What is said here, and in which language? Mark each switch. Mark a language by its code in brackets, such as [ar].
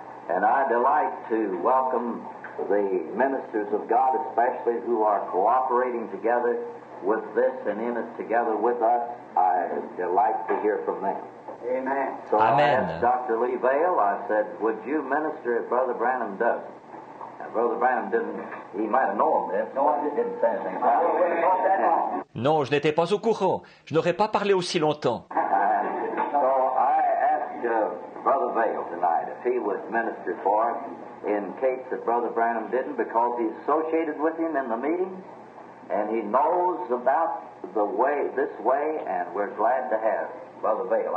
[en] And I delight to welcome the ministers of God, especially who are cooperating together with this and in it together with us. I delight to hear from them. Amen. So Amen. I asked Dr. Lee Vail, I said, would you minister if Brother Branham does? Brother Branham didn't, he might have known this. No, I didn't say anything about it. Oh, wait, not that long. [fr] Non, je n'étais pas au courant. Je n'aurais pas parlé aussi longtemps. [en] So I asked Brother Vail tonight if he would minister for him in case that Brother Branham didn't, because he's associated with him in the meeting and he knows about the way, this way, and we're glad to have Brother Vail.